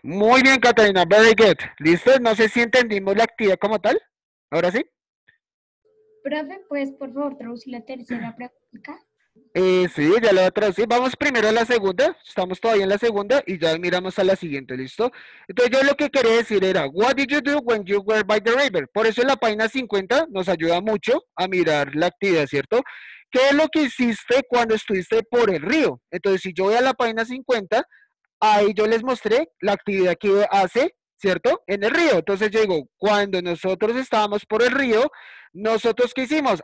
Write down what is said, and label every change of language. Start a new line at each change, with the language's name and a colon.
Spanish: Muy bien, Catalina.
English: Very good.
Spanish: ¿Listo? No sé si entendimos la actividad como tal. ¿Ahora sí? Profe, pues, por favor, traducir la tercera práctica. Sí, ya la voy a traducir. Vamos primero a la segunda. Estamos todavía en la segunda y ya miramos a la siguiente. ¿Listo? Entonces, yo lo que quería decir era,
English: what did you do when you were by the river?
Spanish: Por eso en la página 50 nos ayuda mucho a mirar la actividad, ¿cierto? ¿Qué es lo que hiciste cuando estuviste por el río? Entonces, si yo voy a la página 50, ahí yo les mostré la actividad que hace, ¿cierto? En el río. Entonces, yo digo, cuando nosotros estábamos por el río, ¿nosotros qué hicimos?